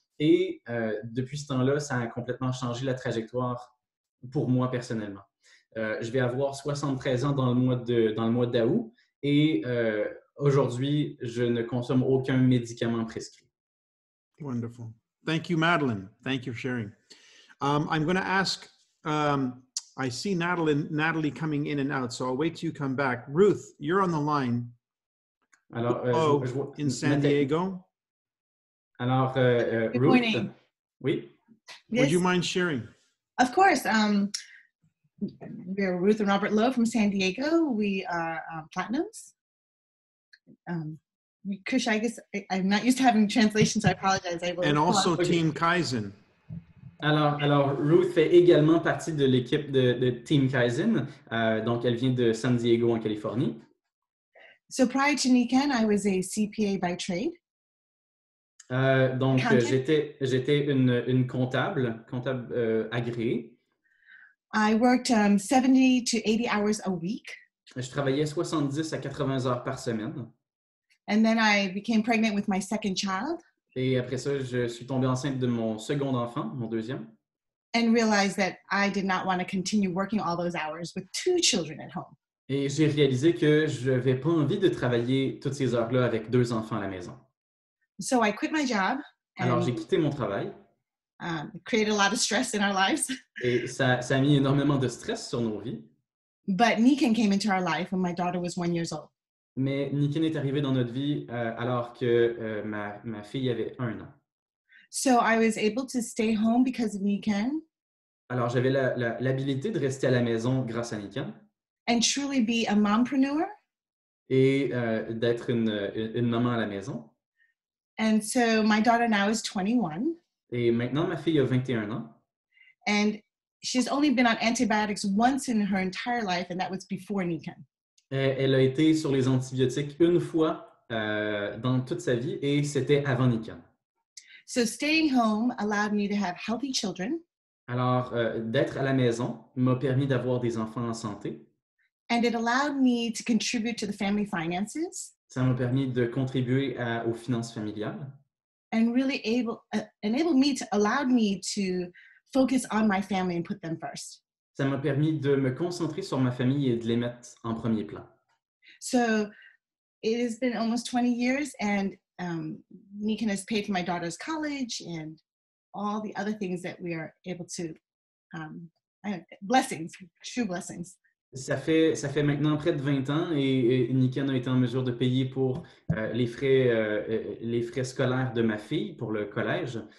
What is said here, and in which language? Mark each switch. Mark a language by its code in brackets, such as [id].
[fr] Et depuis ce temps-là, ça a complètement changé la trajectoire pour moi personnellement. Je vais avoir 73 ans dans le mois d'août et aujourd'hui, je ne consomme aucun médicament prescrit. [en] Wonderful. Thank you, Madeline. Thank you for sharing. I'm going to ask, I see Natalie coming in and out, so I'll wait till you come back. Ruth, you're on the line. [fr] Alors, [en] in San Diego. [fr] Alors, Ruth. [en] Good morning. [fr] Oui? [en] Yes. Would you mind sharing? Of course. We're Ruth and Robert Lowe from San Diego. We are platinums. Kush, I guess I'm not used to having translations, so I apologize. And also Team Kaizen. [fr] Alors, Ruth fait également partie de l'équipe de Team Kaizen. Donc, elle vient de San Diego, en Californie. [en] So, prior to Nikan, I was a CPA by trade. [fr] Donc, j'étais une comptable agréée. [en] I worked 70 to 80 hours a week. [fr] Je travaillais 70 à 80 heures par semaine. [en] And then I became pregnant with my second child. [fr] Et après ça, je suis tombée enceinte de mon second enfant, mon deuxième. [en] And realized that I did not want to continue working all those hours with two children at home. [fr] Et j'ai réalisé que je n'avais pas envie de travailler toutes ces heures-là avec deux enfants à la maison. [en] So I quit my job. [fr] Alors j'ai quitté mon travail. [en] Created a lot of stress in our lives. [fr] Et ça a mis énormément de stress sur nos vies. [en] But Nikan came into our life when my daughter was 1 year old. [fr] Mais Nikan est arrivé dans notre vie alors que ma fille avait 1 an. [en] So I was able to stay home because of Nikan. [fr] Alors j'avais l'habilité de rester à la maison grâce à Nikan. [en] And truly be a mompreneur. [fr] Et d'être une maman à la maison. [en] And so my daughter now is 21. [fr] Et maintenant, ma fille a 21 ans. [en] And she's only been on antibiotics once in her entire life, and that was before Nikan. [fr] Elle a été sur les antibiotiques une fois dans toute sa vie, et c'était avant Nikan. [en] So staying home allowed me to have healthy children. [fr] Alors, d'être à la maison m'a permis d'avoir des enfants en santé. [en] And it allowed me to contribute to the family finances. [fr] Ça m'a permis de contribuer aux finances familiales. [en] And really allowed me to focus on my family and put them first. [fr] Ça m'a permis de me concentrer sur ma famille et de les mettre en premier plan. [en] So it has been almost 20 years and Nikan has paid for my daughter's college and all the other things that we are able to blessings, true blessings. [fr] Ça fait maintenant près de 20 ans et Nikan a été en mesure de payer pour les frais scolaires de ma fille pour le collège.